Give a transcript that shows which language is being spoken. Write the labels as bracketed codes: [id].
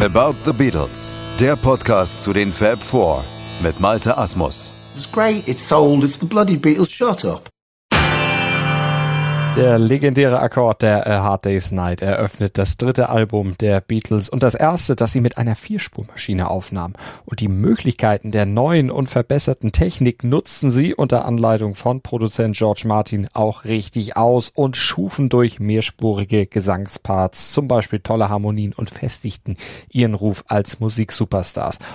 [de] About the Beatles, der Podcast zu den Fab Four mit Malte Asmus. [en] It's great, it's old, it's the bloody Beatles, shut up. [de] Der legendäre Akkord der A Hard Day's Night eröffnet das dritte Album der Beatles und das erste, das sie mit einer Vierspurmaschine aufnahm. Und die Möglichkeiten der neuen und verbesserten Technik nutzten sie unter Anleitung von Produzent George Martin auch richtig aus und schufen durch mehrspurige Gesangsparts, zum Beispiel tolle Harmonien, und festigten ihren Ruf als Musiksuperstars.